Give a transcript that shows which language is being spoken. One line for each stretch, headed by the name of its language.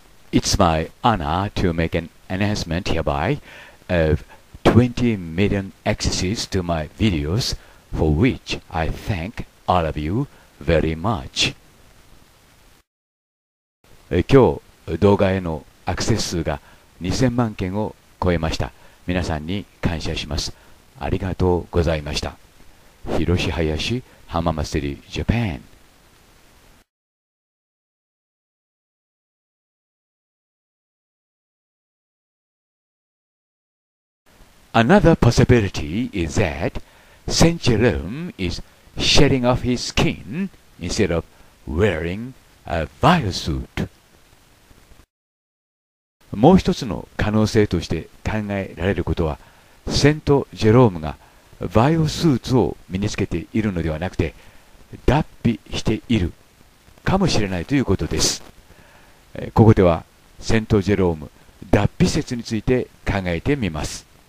English: It's my honor to make an announcement hereby of 20 million accesses to my videos, for which I thank all of you very much.
Japanese: 今日、動画へのアクセス数が2000万件を超えました。皆さんに感謝します。ありがとうございました。広し林浜松テリージャパン。
English: Another possibility is that Saint Jerome is shedding off his skin instead of wearing a vile suit.
Japanese: もう一つの可能性として考えられることは、セント・ジェロームがバイオスーツを身につけているのではなくて、脱皮しているかもしれないということです。ここではセント・ジェローム脱皮説について考えてみます。